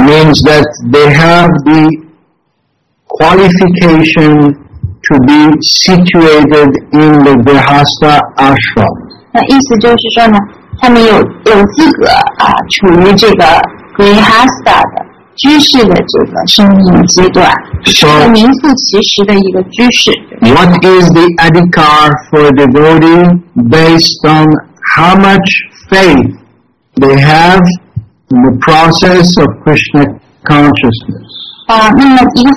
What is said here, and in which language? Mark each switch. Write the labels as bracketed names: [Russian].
[English] Means that they have the qualification to be situated in the Grihastha ashram. [Chinese] 那意思就是说呢，他们有资格啊，处于这个 Grihastha 的居士的这个生命阶段，名副其实的一个居士。 [English] What is the adhikar for a devotee based on how much faith they have in the process of Krishna consciousness?